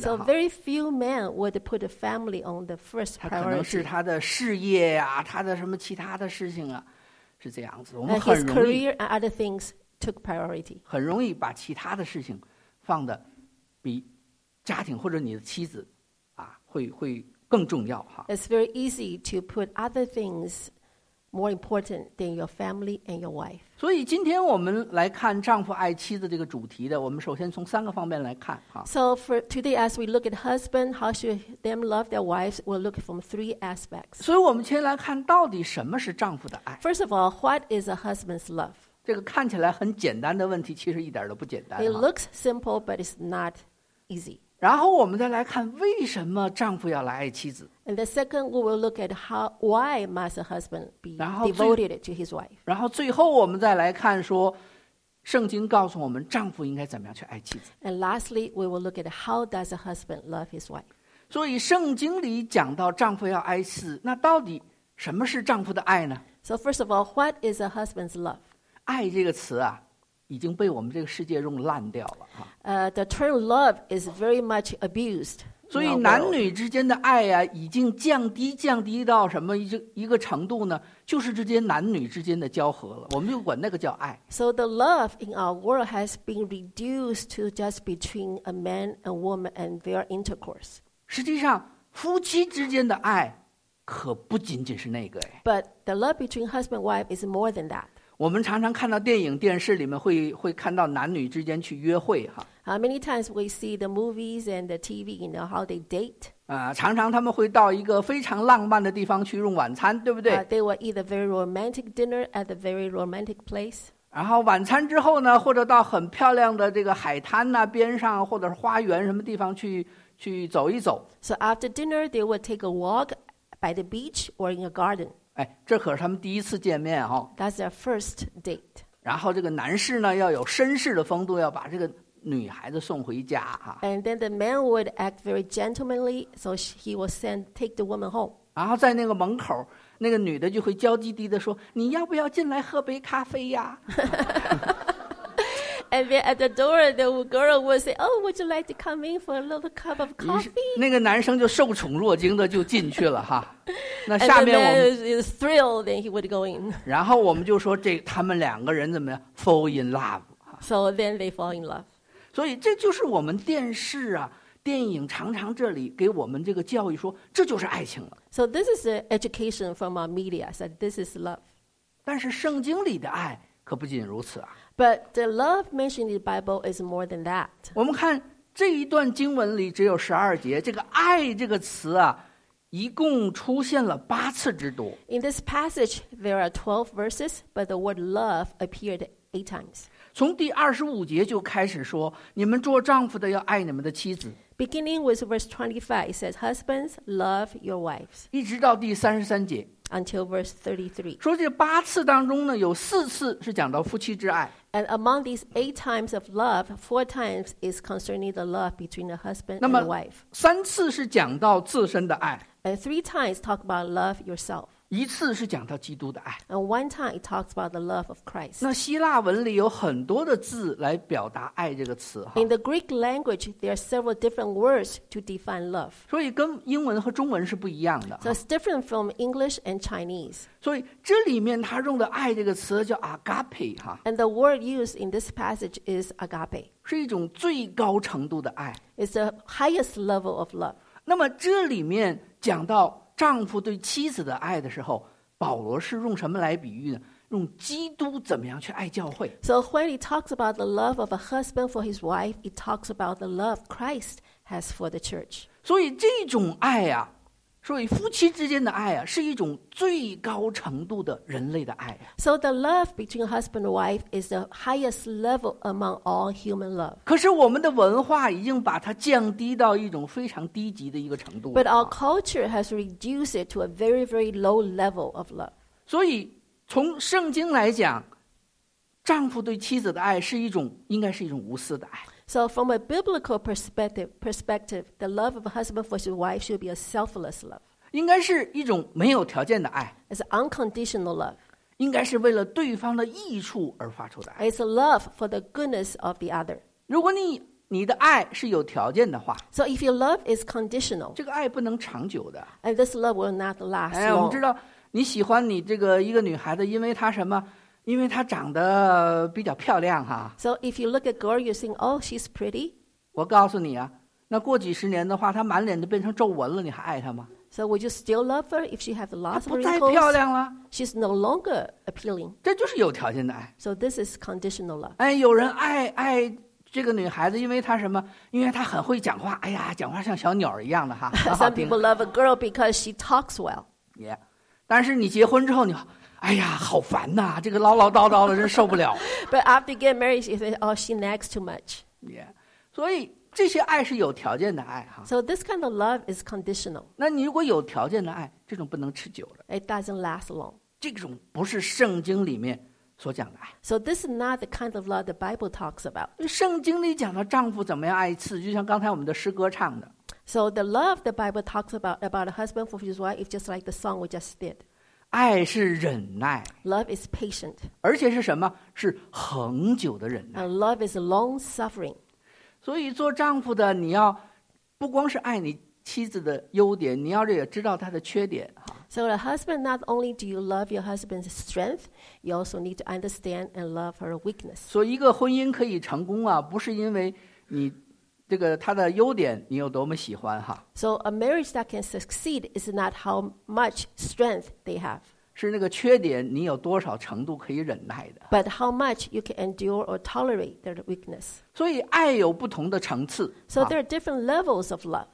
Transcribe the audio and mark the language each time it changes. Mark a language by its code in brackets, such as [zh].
[en] So very few men would put a family on the first priority. [zh] 他可能是他的事业啊，他的什么其他的事情啊，是这样子。我们很容易 [en] His career and other things took priority. [zh] 很容易把其他的事情放的比家庭或者你的妻子啊会更重要哈。 [en] It's very easy to put other things more important than your family and your wife. [zh] 所以今天我们来看丈夫爱妻子这个主题的，我们首先从三个方面来看哈。 [en] So for today, as we look at husband, how should them love their wives? We'll look from three aspects. [zh] 所以我们先来看到底什么是丈夫的爱。 [en] First of all, what is a husband's love? [zh] 这个看起来很简单的问题，其实一点都不简单。 [en] It looks simple, but it's not easy. [zh] 然后我们再来看为什么丈夫要来爱妻子。 [en] And the second, we will look at how why must a husband be devoted to his wife. [zh] 然后最后我们再来看说，圣经告诉我们丈夫应该怎么样去爱妻子。 [en] And lastly, we will look at how does a husband love his wife. [zh] 所以圣经里讲到丈夫要爱妻子，那到底什么是丈夫的爱呢 [en] ？So first of all, what is a husband's love? [zh] 爱这个词啊。已经被我们这个世界用烂掉了。 [en] The term love is very much abused. [zh] 所以男女之间的爱啊，已经降低到什么一个程度呢？就是之间男女之间的交合了，我们就管那个叫爱。 [en] So the love in our world has been reduced to just between a man and woman and their intercourse. [zh] 实际上，夫妻之间的爱可不仅仅是那个哎。 [en] But the love between husband and wife is more than that. [zh] 我们常常看到电影电视里面会看到男女之间去约会哈。 [en] How many times we see the movies and the TV, you know, how they date? [zh] 常常他们会到一个非常浪漫的地方去用晚餐，对不对？ [en] They will eat a very romantic dinner at a very romantic place. [zh] 然后晚餐之后呢，或者到很漂亮的这个海滩啊边上，或者是花园什么地方去走一走。 [en] So after dinner, they will take a walk by the beach or in a garden. [zh] 哎，这可是他们第一次见面哈。 [en] That's their first date. [zh] 然后这个男士呢，要有绅士的风度，要把这个女孩子送回家哈。 [en] And then the man would act very gentlemanly, so he will take the woman home. [zh] 然后在那个门口，那个女的就会娇滴滴的说：“你要不要进来喝杯咖啡呀？” [en] And then at the door, the girl would say, "Oh, would you like to come in for a little cup of coffee?" [zh] 那个男生就受宠若惊的就进去了哈。那下面我们 [en] is thrilled, then he would go in. [zh] 然后我们就说这他们两个人怎么样 [en] fall in love? So then they fall in love. [zh] 所以这就是我们电视啊电影常常这里给我们这个教育说这就是爱情了。 [en] So this is an education from our media that this is love. [zh] 但是圣经里的爱可不仅如此啊。 [en] But the love mentioned in the Bible is more than that. [zh] 我们看这一段经文里只有12节，这个爱这个词啊，一共出现了八次之多。 [en] In this passage, there are 12 verses, but the word love appeared 8 times. [zh] 从第25节就开始说，你们做丈夫的要爱你们的妻子。 [en] Beginning with verse 25, it says, husbands, love your wives. [zh] 一直到第33节。 [en] Until verse 33. [zh] 说这八次当中呢，有四次是讲到夫妻之爱。 [en] And among these 8 times of love, 4 times is concerning the love between a husband and a wife. [zh] 那么三次是讲到自身的爱。 [en] And 3 times talk about love yourself. [zh] 一次是讲到基督的爱。 [en] And one time it talks about the love of Christ. [zh] 那希腊文里有很多的字来表达爱这个词。 [en] In the Greek language, there are several different words to define love. [zh] 所以跟英文和中文是不一样的。 [en] So it's different from English and Chinese. [zh] 所以这里面他用的爱这个词叫 agape. [en] And the word used in this passage is agape. [zh] 是一种最高程度的爱。 [en] It's the highest level of love. [zh] 那么这里面讲到丈夫对妻子的爱的时候，保罗是用什么来比喻呢？用基督怎么样去爱教会。 [en] So when he talks about the love of a husband for his wife, he talks about the love Christ has for the church. [zh] 所以这种爱啊，所以夫妻之间的爱啊，是一种最高程度的人类的爱。 [en] So the love between husband and wife is the highest level among all human love. [zh] 可是我们的文化已经把它降低到一种非常低级的一个程度。 [en] But our culture has reduced it to a very, very low level of love. [zh] 所以从圣经来讲，丈夫对妻子的爱是一种，应该是一种无私的爱。 [en] So from a biblical perspective, the love of a husband for his wife should be a selfless love. [zh] 应该是一种没有条件的爱。 [en] It's an unconditional love. [zh] 应该是为了对方的益处而发出的爱。 [en] It's a love for the goodness of the other. [zh] 如果你的爱是有条件的话， [en] So if your love is conditional, [zh] 这个爱不能长久的。 [en] And this love will not last long. [zh] 哎，我们知道你喜欢你这个一个女孩子，因为她什么？因为她长得比较漂亮哈。 [en] So if you look at a girl, you think, oh, she's pretty. [zh] 我告诉你啊，那过几十年的话，她满脸都变成皱纹了，你还爱她吗？ [en] So would you still love her if she has lots of wrinkles? [zh] 她不再漂亮了。 [en] She's no longer appealing. [zh] 这就是有条件的爱。 [en] So this is conditional love. [zh] 哎，有人爱这个女孩子，因为她什么？因为她很会讲话。哎呀，讲话像小鸟一样的哈。 [en] Some people love a girl because she talks well. [zh] Yeah. 但是你结婚之后，你。哎呀，好烦呐！这个唠唠叨叨的，真受不了。 [en] But after get married, she says, "Oh, she nags too much." [zh] Yeah, 所以这些爱是有条件的爱哈。 [en] So this kind of love is conditional. [zh] 那你如果有条件的爱，这种不能持久的。 [en] It doesn't last long. [zh] 这种不是圣经里面所讲的爱。 [en] So this is not the kind of love the Bible talks about. [zh] 圣经里讲到丈夫怎么样爱妻，就像刚才我们的诗歌唱的。 [en] So the love the Bible talks about a husband for his wife is just like the song we just did. [zh] 爱是忍耐 [en] ，Love is patient， [zh] 而且是什么？是恒久的忍耐。 [en] And love is long suffering。 [zh] 所以做丈夫的，你要不光是爱你妻子的优点，你要也知道她的缺点。 [en] So the husband, not only do you love your husband's strength, you also need to understand and love her weakness。 [zh] 所以一个婚姻可以成功啊，不是因为你。这个他的优点你有多么喜欢哈 [en] So a marriage that can succeed is not how much strength they have. [zh] 是那个缺点你有多少程度可以忍耐的 [en] But how much you can endure or tolerate their weakness. [zh] 所以爱有不同的层次 [en] So there are different levels of love.